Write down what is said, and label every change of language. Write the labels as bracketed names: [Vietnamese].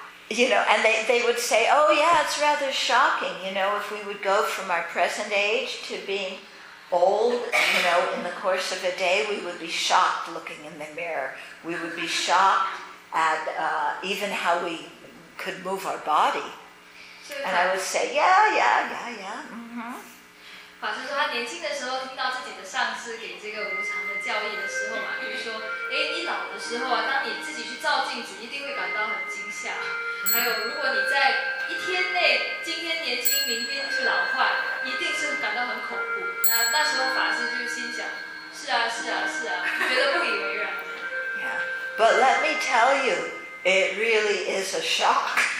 [English] you know, and they would say, oh, yeah, it's rather shocking, you know, if we would go from our present age to being old, you know, in the course of a day, we would be shocked looking in the mirror. We would be shocked at even how we could move our body. And I would say, yeah. [Chinese] 法师说他年轻的时候听到自己的上司给这个无常的教义的时候嘛，比如说，哎，你老的时候啊，当你自己去照镜子，一定会感到很惊吓。还有，如果你在一天内，今天年轻，明天就老化，一定是感到很恐怖。那时候法师就心想，是啊，觉得不以为然。 [English] Yeah, but let me tell you, it really is a shock.